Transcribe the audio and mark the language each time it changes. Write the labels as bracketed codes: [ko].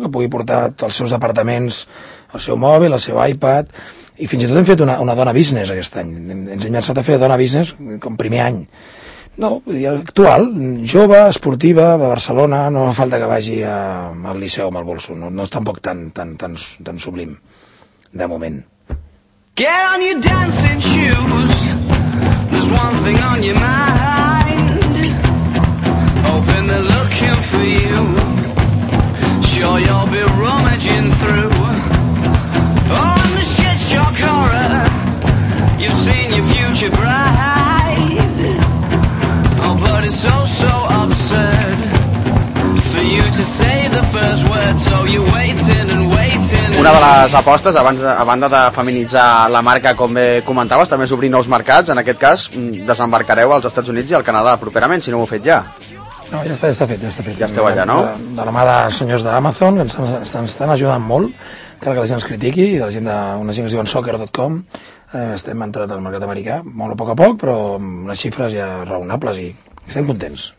[ca] Que pugui portar tots els seus departaments, el seu mòbil, el seu iPad, i fins i tot hem fet una dona business aquest any, ens hem llançat a fer dona business com primer any. No, actual, jove, esportiva, de Barcelona, no fa falta que vagi al Liceu amb el bolso, no és tampoc tan sublim. De moment. [en] Get on your dancing shoes. There's one thing on your mind. Hoping they're looking for you. Sure you'll be rummaging through. Oh, and the shit shock horror. You've seen your future bright. Oh, but it's so, so absurd for you to say the first word. So you're waiting and waiting. [ca] Una de les apostes, a banda de feminitzar la marca, com bé comentaves, també és obrir nous mercats. En aquest cas, desembarcareu als Estats Units i al Canadà properament, si no ho heu fet ja. No, ja està fet. Ja esteu allà, no? De la mà de senyors d'Amazon, que ens estan ajudant molt, encara que la gent ens critiqui, i de la gent una gent que es diuen soccer.com, estem entrat al mercat americà, molt a poc, però amb unes xifres ja raonables i estem contents.